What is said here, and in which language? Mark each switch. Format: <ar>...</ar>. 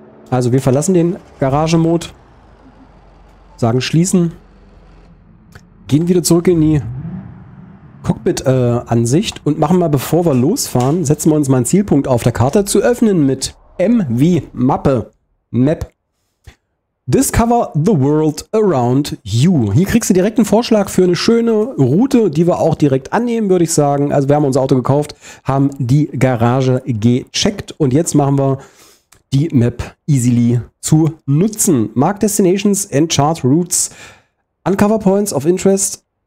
<de>Also wir verlassen den Garagemode. Sagen schließen. Gehen wieder zurück in die Cockpit-Ansicht. Und machen mal, bevor wir losfahren, setzen wir uns mal einen Zielpunkt auf der Karte. Zu öffnen mit M wie Mappe.</de> <en>Map. Discover the world around you.</en> <de>Hier kriegst du direkt einen Vorschlag für eine schöne Route, die wir auch direkt annehmen, würde ich sagen. Also wir haben unser Auto gekauft, haben die Garage gecheckt und jetzt machen wir die Map easily zu nutzen.</de> <en>Mark Destinations and Chart Routes. Uncover Points of Interest.</en>